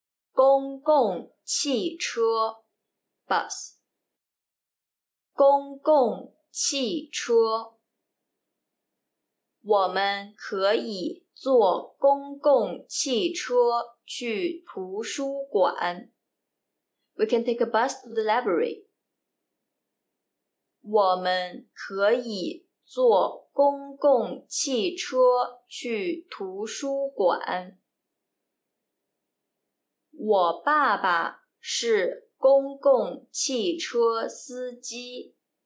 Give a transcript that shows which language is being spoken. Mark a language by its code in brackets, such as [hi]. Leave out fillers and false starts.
[zh] 公共汽车 [en] bus。 [zh] 公共汽车。我们可以坐公共汽车去图书馆。 [en] We can take a bus to the library. [zh] 我们可以坐公共汽车去图书馆。我爸爸是公共汽车司机。